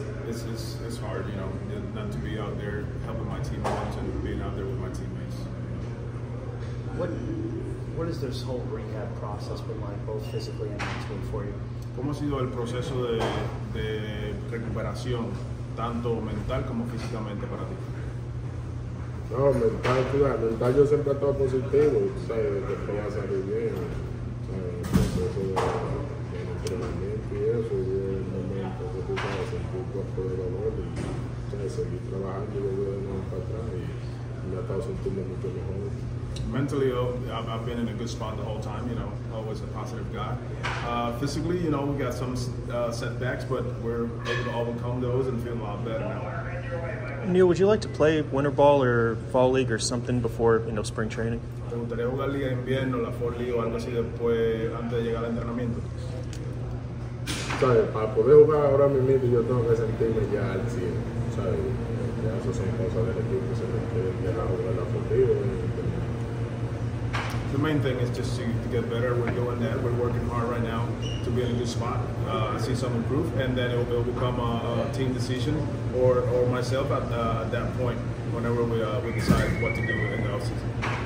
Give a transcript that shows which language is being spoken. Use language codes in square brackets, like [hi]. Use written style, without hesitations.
[en] it's hard, you know, not to be out there helping my teammates and being out there with my teammates. What is this whole rehab process been like, both physically and mentally, for you? [es] ¿Cómo ha sido el proceso de recuperación, tanto mental como físicamente para ti? No, mental, claro, mental yo siempre he estado positivo, sabes, que todo va a salir bien, el proceso de entrenamiento y eso, y el momento que tú sabes, un poco por el dolor, y sabes, seguir trabajando y volver de nuevo para atrás, y me he estado sintiendo mucho mejor. [en] Mentally, I've been in a good spot the whole time, you know, always a positive guy. Physically, you know, we got some setbacks, but we're able to overcome those and feel a lot better now. Neil, would you like to play winter ball or fall league or something before, you know, spring training? [es] ¿Te gustaría jugar liga de invierno, la fall league o algo así después, antes de llegar al entrenamiento? ¿Sabes? Para poder jugar ahora mismo, yo tengo que sentirme ya al 100, ¿sabes? Ya eso son cosas del equipo, se requiere ya la fall league. [en] The main thing is just to get better. We're doing that. We're working hard right now to be in a good spot. See some improve, and then it will become a team decision or myself at that point, whenever we decide what to do in the offseason.